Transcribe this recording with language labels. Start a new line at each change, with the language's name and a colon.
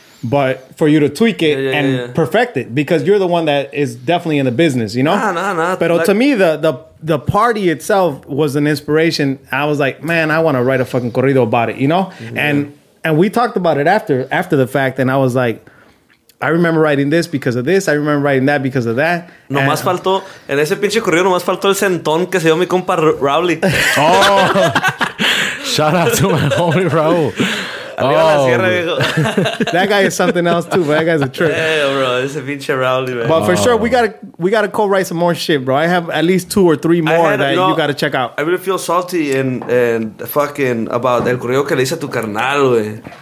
English: But for you to tweak it perfect it. Because you're the one that is definitely in the business, you know? Nah. But like, to me, the party itself was an inspiration. I was like, man, I want to write a fucking corrido about it, you know? Yeah. And we talked about it after the fact. And I was like, I remember writing this because of this. I remember writing that because of that.
Spanish: Nomás faltó, en ese pinche corrido, nomás faltó el sentón que se dio mi compa Rowley.
English: Oh, shout out to my homie Raul. That guy is something else too, but that guy's a trick. Yeah, bro, it's a pinche Rowley, man. But for sure, we gotta co-write some more shit, bro. I have at least two or three more you gotta check out. I really feel salty and fucking about
Spanish: el corrido que le hice a tu carnal, güey.